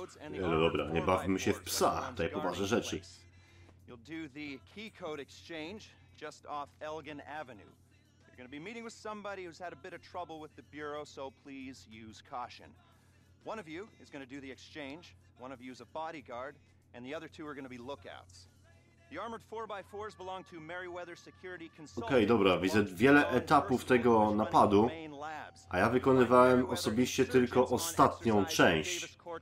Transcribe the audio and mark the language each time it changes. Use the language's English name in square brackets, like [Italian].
[Polish] No dobra, nie bawmy się w psa, tutaj poważne rzeczy. [English] You'll do the key code exchange just off Elgin Avenue. You're going to be meeting with somebody who's had a bit of trouble with the bureau, so please use caution. One of you is going to do the exchange, one of you is a bodyguard, and the other two are going to be lookouts. The armored 4x4s belong to Meriwether Security Consulting. [Polish] Okej, dobra, widzę wiele etapów tego napadu, a ja wykonywałem osobiście tylko ostatnią część.